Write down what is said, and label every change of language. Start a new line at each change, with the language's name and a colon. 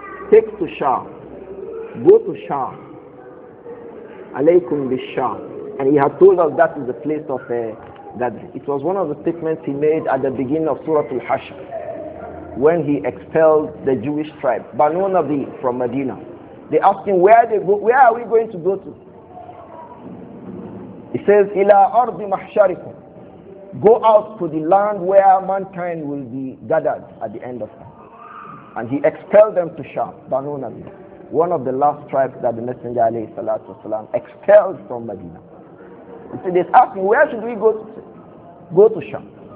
English: Take to Sham. Go to Sham.
Arabic: عليكم بالشام.
English: And he had told us that is the place of that. It was one of the statements he made at the beginning of Surah Al-Hashr when he expelled the Jewish tribe, Banu Nadir, from Medina. They asked him, where are we going to go to? He says,
Arabic: إلى أرض محشركم.
English: Go out to the land where mankind will be gathered at the end of time. And he expelled them to Sham, Banu Nadir, one of the last tribes that the Messenger alayhi salatu wasalam expelled from Medina. He said, they asked me, where should we go to? Go to Sham.